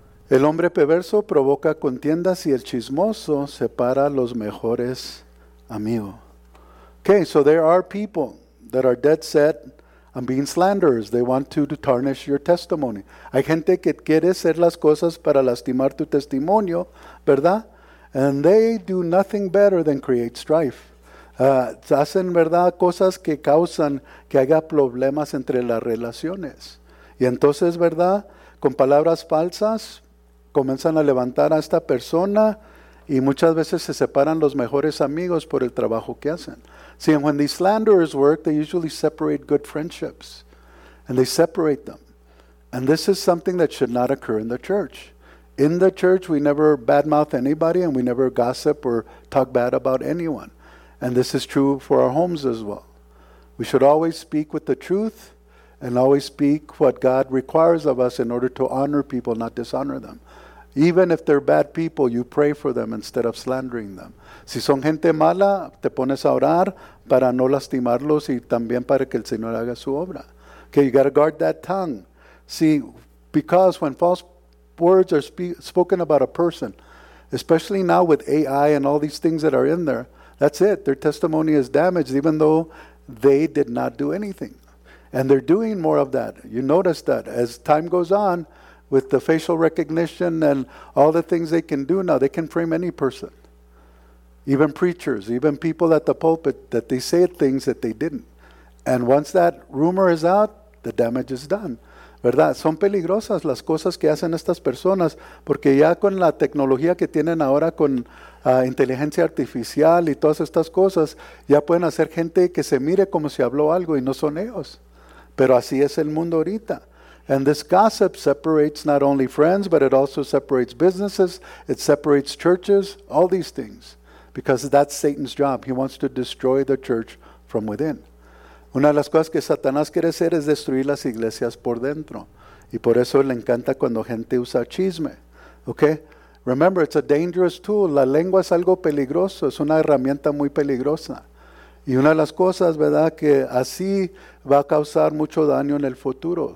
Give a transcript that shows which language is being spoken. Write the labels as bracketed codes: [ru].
[es] El hombre perverso provoca contiendas y el chismoso separa los mejores amigos. [en] Okay, so there are people that are dead set on being slanderers. They want to tarnish your testimony. [es] Hay gente que quiere hacer las cosas para lastimar tu testimonio, ¿verdad? [en] And they do nothing better than create strife. [es] Hacen, ¿verdad?, cosas que causan que haya problemas entre las relaciones. Y entonces, ¿verdad?, con palabras falsas, comienzan a levantar a esta persona y muchas veces se separan los mejores amigos por el trabajo que hacen. [en] See, and when these slanderers work, they usually separate good friendships. And they separate them. And this is something that should not occur in the church. In the church, we never badmouth anybody and we never gossip or talk bad about anyone. And this is true for our homes as well. We should always speak with the truth and always speak what God requires of us in order to honor people, not dishonor them. Even if they're bad people, you pray for them instead of slandering them. [es] Si son gente mala, te pones a orar para no lastimarlos y también para que el Señor haga su obra. [en] Okay, you got to guard that tongue. See, because when false words are spoken about a person, especially now with AI and all these things that are in there, that's it. Their testimony is damaged, even though they did not do anything. And they're doing more of that. You notice that as time goes on, with the facial recognition and all the things they can do now, they can frame any person. Even preachers, even people at the pulpit, that they say things that they didn't. And once that rumor is out, the damage is done. [es] ¿Verdad? Son peligrosas las cosas que hacen estas personas, porque ya con la tecnología que tienen ahora con inteligencia artificial y todas estas cosas, ya pueden hacer gente que se mire como si habló algo y no son ellos. Pero así es el mundo ahorita. [en] And this gossip separates not only friends, but it also separates businesses, it separates churches, all these things. Because that's Satan's job. He wants to destroy the church from within. [es] Una de las cosas que Satanás quiere hacer es destruir las iglesias por dentro. Y por eso le encanta cuando gente usa chisme. [en] Okay? Remember, it's a dangerous tool. [es] La lengua es algo peligroso. Es una herramienta muy peligrosa. Y una de las cosas, ¿verdad?, que así va a causar mucho daño en el futuro.